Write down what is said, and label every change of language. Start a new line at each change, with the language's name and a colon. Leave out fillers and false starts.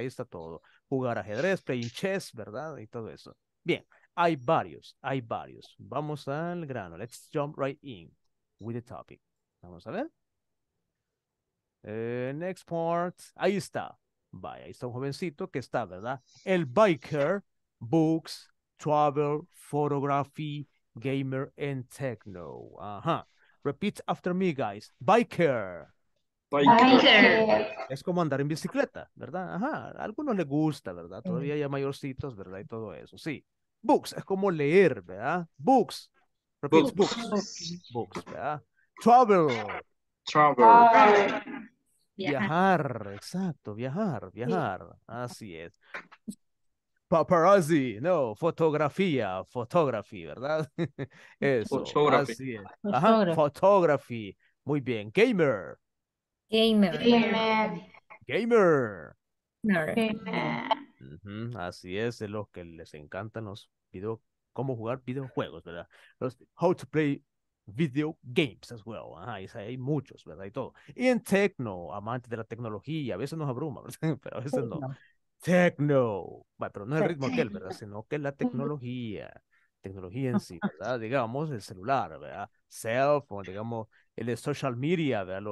Spanish: Ahí está todo. Jugar ajedrez,
English: playing chess,
Spanish: ¿verdad? Y todo eso. Bien, hay varios. Vamos al grano.
English: Let's jump right in with the topic.
Spanish: Vamos a ver.
English: Next part.
Spanish: Ahí está. Vaya, ahí está un jovencito que está, ¿verdad?
English: El biker, books, travel, photography, gamer, and techno. Ajá. Repeat after me, guys. Biker. Biker.
Spanish: Es como andar en bicicleta, ¿verdad? Ajá. A algunos les gusta, ¿verdad? Todavía hay mayorcitos, ¿verdad? Y todo eso. Sí. Books. Es como leer, ¿verdad? Books.
English: Repeat books. Books, ¿verdad? Travel. Travel.
Spanish: Viajar, exacto, viajar, sí. Así es. Paparazzi, no, fotografía, ¿verdad? Eso, fotografía. Así es. Ajá, fotografía, muy bien. Gamer.
English: Gamer. Uh-huh.
Spanish: Así es, de los que les encantan los videos, cómo jugar videojuegos, ¿verdad?
English: Los how to play video games as well.
Spanish: Ajá, y hay muchos, ¿verdad? Y todo. Y en techno, amante de la tecnología, a veces nos abruma, pero a veces techno. No. Techno. Bueno, pero no el ritmo aquel, ¿verdad? Sino que la tecnología en sí, ¿verdad? Digamos, el celular, ¿verdad? Cell phone, digamos, el social media, ¿verdad?